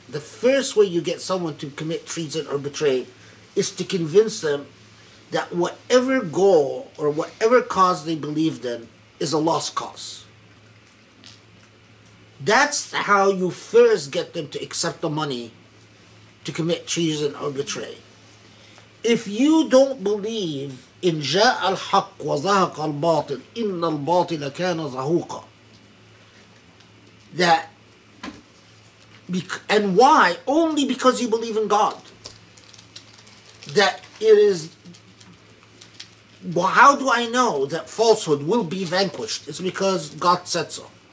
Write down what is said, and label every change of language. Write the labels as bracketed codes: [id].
[en] The first way you get someone to commit treason or betray is to convince them that whatever goal or whatever cause they believed in is a lost cause. That's how you first get them to accept the money to commit treason or betray. If you don't believe [ar] إن جاء الحق وزهق الباطل إن الباطل كان زهوقا. [en] That, and why? Only because you believe in God. That it is, well, how do I know that falsehood will be vanquished? It's because God said so.